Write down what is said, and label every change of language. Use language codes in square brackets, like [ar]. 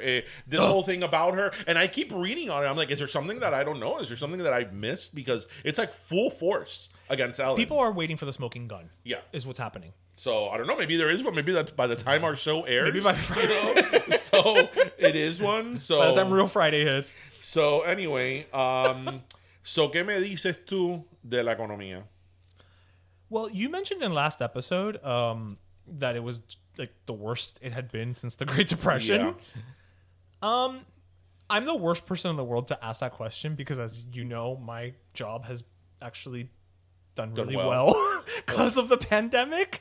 [en] This whole thing about her, and I keep reading on it. I'm like, is there something that I don't know? Is there something that I've missed? Because it's like full force against Ellen. People are waiting for the smoking gun. Yeah. Is what's happening. So I don't know. Maybe there is one. Maybe that's by the time our show airs. Maybe by Friday. You know? So it is one. So by the time Real Friday hits. So anyway, so [es] ¿qué me dices tú de la economía? [en] Well, you mentioned in last episode that it was like the worst it had been since the Great Depression. Yeah. I'm the worst person in the world to ask that question because, as you know, my job has actually done really well because of the pandemic.